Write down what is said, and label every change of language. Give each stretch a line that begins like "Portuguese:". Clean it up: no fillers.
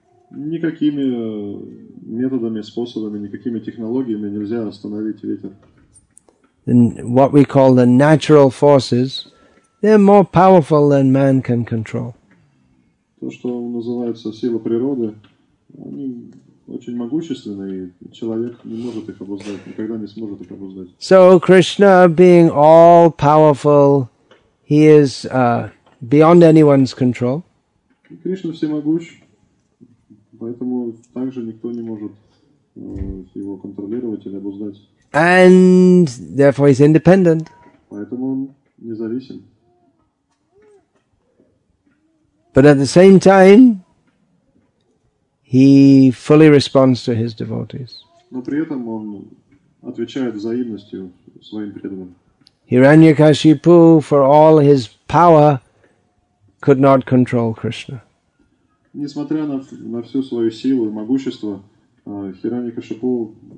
Russian: Никакими методами, способами, никакими технологиями нельзя остановить ветер.
English: And what we call the natural forces, they're more powerful than man can control.
Russian: То, что называется сила природы, они очень могущественны, и человек не может их обуздать, никогда не сможет их обуздать.
English: So Krishna, being all powerful, He is beyond anyone's control.
Russian: Кришна всемогущ, поэтому также никто не может его контролировать или обуздать.
English: And therefore he's independent.
Russian: Поэтому он независим.
English: But at the same time, he fully responds to his devotees.
Russian: Но при этом он отвечает взаимностью своим преданным.
English: Hiranyakashipu, for all his power, could not control Krishna.
Russian: Несмотря на всю свою силу и могущество, Hiranyakashipu